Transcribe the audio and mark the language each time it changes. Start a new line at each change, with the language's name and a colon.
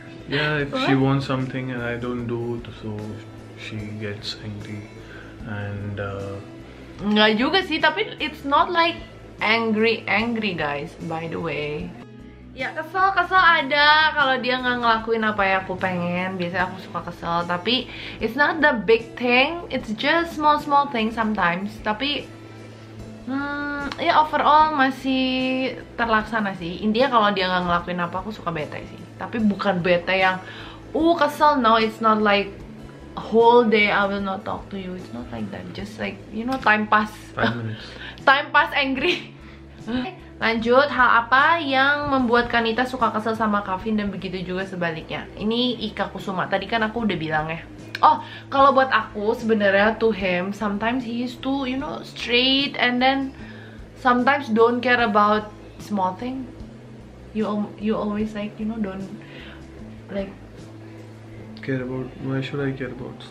English: Yeah, if what? She wants something and I don't do it, so she gets angry and
Indonesian: Nggak juga sih, tapi
English: it's not like angry guys, by the way.
Indonesian: Ya kesel ada kalau dia nggak ngelakuin apa yang aku pengen. Biasanya aku suka kesel, tapi
English: it's not the big thing. It's just small thing sometimes.
Indonesian: Tapi ya overall masih terlaksana sih. Intinya kalau dia nggak ngelakuin apa, aku suka bete sih. Tapi bukan bete yang kesel,
English: no, it's not like whole day I will not talk to you. It's not like that, just like, you know, time pass. 5 minutes. Time pass angry.
Indonesian: Lanjut, hal apa yang membuat Kanita suka kesel sama Kavin dan begitu juga sebaliknya? Ini Ika Kusuma, tadi kan aku udah bilang ya.
English: Oh,
Indonesian: kalau buat aku sebenarnya
English: to him, sometimes he is too, you know, straight and then sometimes don't care about small thing. You always like, you know, why should I care about?